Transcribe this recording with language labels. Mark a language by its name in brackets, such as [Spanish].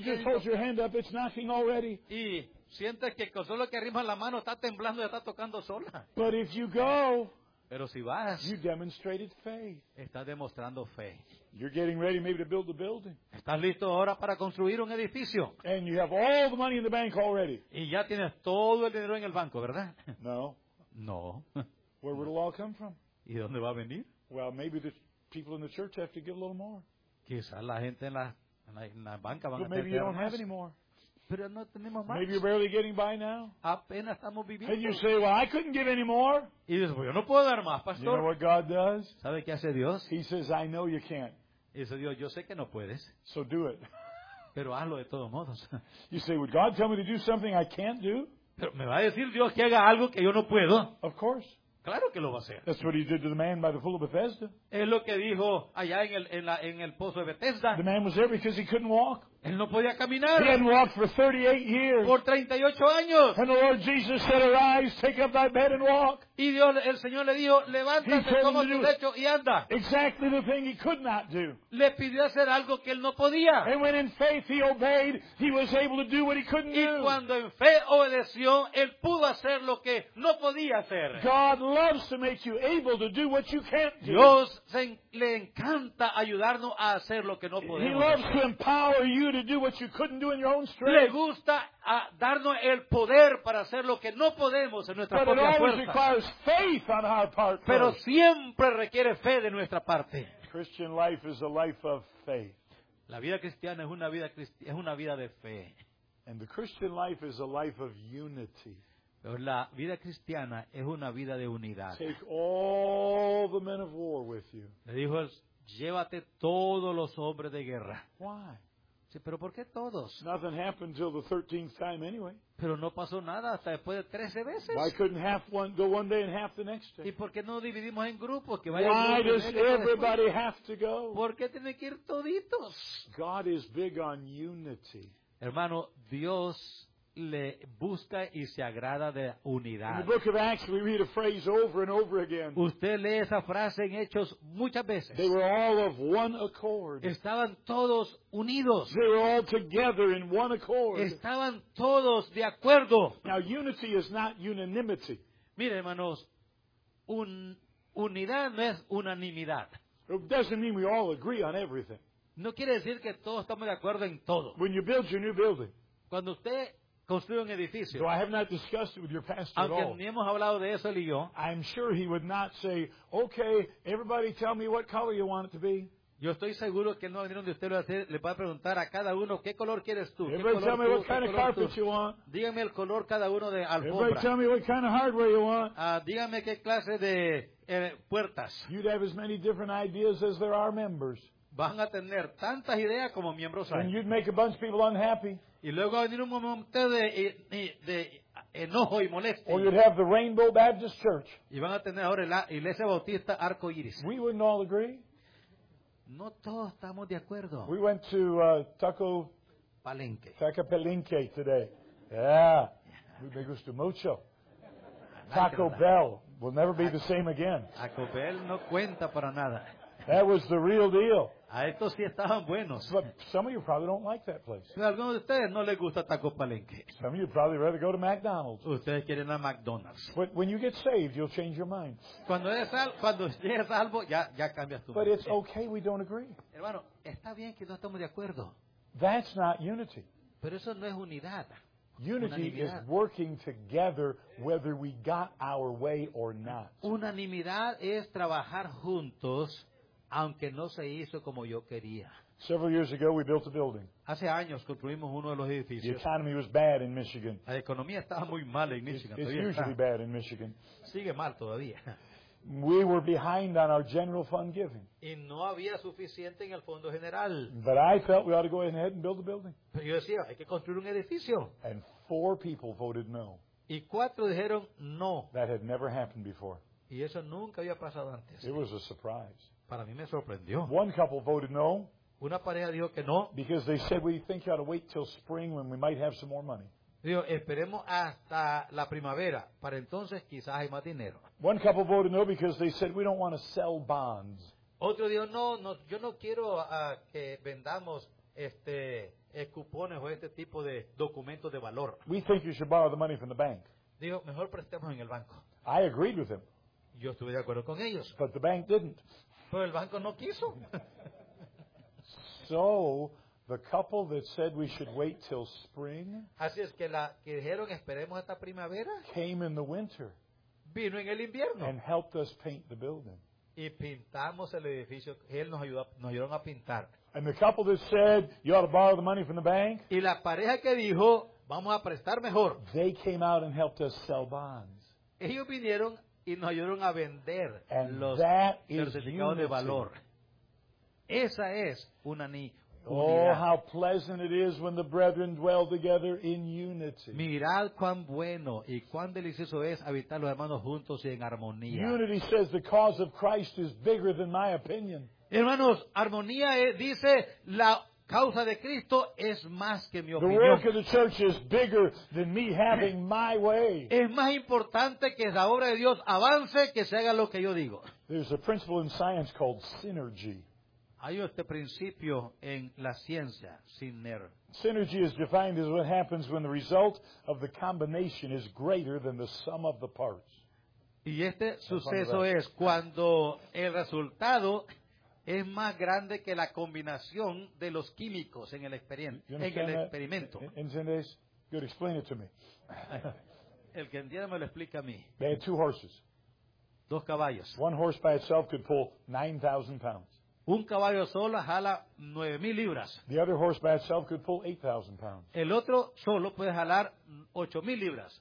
[English] just hold your hand up, it's knocking already. [Spanish] Y sientes que con solo que arrimas la mano está temblando y está tocando sola. [English] But if you go, [Spanish] pero si vas, [English] you demonstrated faith. [Spanish] Estás demostrando fe. [English] You're getting ready maybe to build a building. [Spanish] Estás listo ahora para construir un edificio. [English] And you have all the money in the bank already. [Spanish] Y ya tienes todo el dinero en el banco, ¿verdad? [English] No. [Spanish] No. [English] Where would it all come from? [Spanish] ¿Y dónde va a venir? [English] Well, maybe the people in the church have to give a little more. [Spanish] Quizás la gente en la banca van a tener. [English] Maybe you don't have any more. [Spanish] Pero no tenemos más. [English] Maybe you're barely getting by now. [Spanish] Apenas estamos viviendo. [English] And you say, well, I couldn't give any more. [Spanish] Y dices, pues yo no puedo dar más, pastor. [English] You know what God does? [Spanish] ¿Sabe qué hace Dios? [English] He says, I know you can't. [Spanish] Y dice Dios, yo sé que no puedes. [English] So do it. [Spanish] Pero hazlo de todos modos. [English] You say, would God tell me to do something I can't do? [Spanish] Pero me va a decir Dios que haga algo que yo no puedo. [English] Of course. [Spanish] Claro que lo va a hacer. [English] That's what he did to the man by the pool of Bethesda. [Spanish] Es lo que dijo allá en el pozo de Bethesda. [English] The man was there because he couldn't walk. [Spanish] Él no podía caminar. [English] He hadn't walked for 38 years. [Spanish] Por 38 años. [English] And the Lord Jesus said, arise, take up thy bed and walk. [Spanish] Y el Señor le dijo, levántate, toma tu lecho y anda. [English] Exactly the thing he could not do. [Spanish] Le pidió hacer algo que él no podía. [English] And when in faith he obeyed, he was able to do what he couldn't [Spanish] y [English] do. [Spanish] Y cuando en fe obedeció, él pudo hacer lo que no podía hacer. [English] God loves to make you able to do what you can't do. [Spanish] Dios le encanta ayudarnos a hacer lo que no podemos. [English] He loves to empower you to do what you couldn't do in your own strength. [Spanish] Le gusta a darnos el poder para hacer lo que no podemos en nuestra propia fuerza. [English] Faith on our part. [Spanish] Pero siempre requiere fe de nuestra parte. [English] Christian life is a life of faith. [Spanish] La vida cristiana es una vida de fe. [English] And the Christian life is a life of unity. [Spanish] Pero la vida cristiana es una vida de unidad. [English] Take all the men of war with you. [Spanish] Le dijo, llévate todos los hombres de guerra. [English] Why? [Spanish] Sí, pero ¿por qué todos? [English] Nothing happened till the 13th time anyway. [Spanish] Pero no pasó nada hasta después de 13 veces. [English] Why couldn't half one go one day and half the next day? [Spanish] ¿Y por qué no dividimos en grupos que vayan? [English] Why does everybody have to go? [Spanish] ¿Por qué tiene que ir toditos? [English] God is big on unity. [Spanish] Hermano, Dios le busca y se agrada de unidad. [English] In the book of Acts, we read a phrase over and over again. [Spanish] Usted lee esa frase en Hechos muchas veces. [English] They were all of one accord. [Spanish] Estaban todos unidos. [English] They were all together in one accord. [Spanish] Estaban todos de acuerdo. [English] Now, unity is not unanimity. [Spanish] Mire, hermanos, unidad no es unanimidad. [English] It doesn't mean we all agree on everything. [Spanish] No quiere decir que todos estamos de acuerdo en todo. [English] When you build your new building, [Spanish] cuando usted construye un edificio, [English] I have not discussed it with your pastor [Spanish] aunque [English] at all, [Spanish] ni hemos hablado de eso él y yo, [English] I'm sure he would not say, okay, everybody tell me what color you want it to be. [Spanish] Yo estoy seguro que él no va a venir donde usted le va a preguntar a cada uno qué color quieres tú. [English] Everybody tell me what kind of carpet you want. [Spanish] Dígame el color cada uno de alfombra. [English] Everybody tell me what kind of hardware you want. [Spanish] Dígame qué clase de puertas. [English] You'd have as many different ideas as there are members. [Spanish] Van a tener tantas ideas como miembros hay. [English] And you'd make a bunch of people unhappy. [Spanish] Y luego va a venir un momento de enojo y molestia. [English] Or you'd have the Rainbow Baptist Church. [Spanish] Y van a tener ahora la Iglesia Bautista Arco Iris. [English] We wouldn't all agree. [Spanish] No todos estamos de acuerdo. [English] We went to Taco Palenque today. Yeah. [Spanish] Me gustó mucho. [English] Taco Bell will never be the same again. [Spanish] Taco Bell no cuenta para nada. [English] That was the real deal. [Spanish] A estos sí estaban buenos. [English] But some of you probably don't like that place. [Spanish] Pero algunos de ustedes no les gusta Taco Palenque. [English] Some of you probably rather go to McDonald's. [Spanish] Ustedes quieren a McDonald's. [English] But when you get saved, you'll change your mind. [Spanish] Cuando eres salvo, ya cambias tu mente. [English] But it's okay we don't agree. [Spanish] Hermano, está bien que no estamos de acuerdo. [English] That's not unity. [Spanish] Pero eso no es unidad. [English] Unity is working together whether we got our way or not. [Spanish] Unanimidad es trabajar juntos. Aunque no se hizo como yo quería. [English] Several years ago, we built a building. [Spanish] Hace años construimos uno de los edificios. [English] The economy was bad in Michigan. [Spanish] La economía estaba muy mal en Michigan. [English] It's usually bad in Michigan. [Spanish] Sigue mal todavía. [English] We were behind on our general fund giving. [Spanish] Y no había suficiente en el fondo general. [English] But I felt we ought to go ahead and build the building. [Spanish] Pero yo decía, hay que construir un edificio. [English] And four people voted no. [Spanish] Y cuatro dijeron no. [English] That had never happened before. [Spanish] Y eso nunca había pasado antes. [English] It was a surprise. [Spanish] Para mí me sorprendió. [English] One couple voted no. [Spanish] Una pareja dijo que no. [English] Because they said we think you ought to wait till spring when we might have some more money. [Spanish] Dijo, esperemos hasta la primavera. Para entonces quizás hay más dinero. [English] One couple voted no because they said we don't want to sell bonds. [Spanish] Otro dijo, no, yo no quiero que vendamos cupones o este tipo de documentos de valor. [English] We think you should borrow the money from the bank. [Spanish] Dijo, mejor prestemos en el banco. [English] I agreed with him. [Spanish] Yo estuve de acuerdo con ellos. [English] But the bank didn't. [Spanish] Pero el banco no quiso. [English] So, the couple that said we should wait till spring, [Spanish] así es que la que dijeron esperemos hasta primavera, [English] came in the winter, [Spanish] vino en el invierno, [English] and helped us paint the building. [Spanish] Y pintamos el edificio, él nos ayudó a pintar. [English] And the couple that said you ought to borrow the money from the bank, [Spanish] y la pareja que dijo vamos a prestar mejor, [English] they came out and helped us sell bonds. [Spanish] Ellos vinieron y nos ayudaron a vender [English] and [Spanish] los certificados de valor. Esa es una unidad. [English] Oh, how pleasant it is when the brethren dwell together in unity. [Spanish] Mirad cuán bueno y cuán delicioso es habitar los hermanos juntos y en armonía. [English] Unity says the cause of Christ is bigger than my opinion. [Spanish] Hermanos, armonía dice la causa de Cristo es más que mi opinión. [English] The work of the church is bigger than me having my way. [Spanish] Es más importante que la obra de Dios avance que se haga lo que yo digo. [English] There's a principle in science called synergy. [Spanish] Hay este principio en la ciencia, sinergia. [English] Synergy is defined as what happens when the result of the combination is greater than the sum of the parts. [Spanish] Y este suceso es cuando el resultado es más grande que la combinación de los químicos en el experimento. ¿Entendés? [English] Good, explain it to me. [Spanish] El que entienda me lo explica a mí. [English] They had two horses. [Spanish] Dos caballos. [English] One horse by itself could pull 9,000 pounds. [Spanish] Un caballo solo jala 9,000 libras. [English] The other horse by itself could pull 8,000 pounds. [Spanish] El otro solo puede jalar 8,000 libras.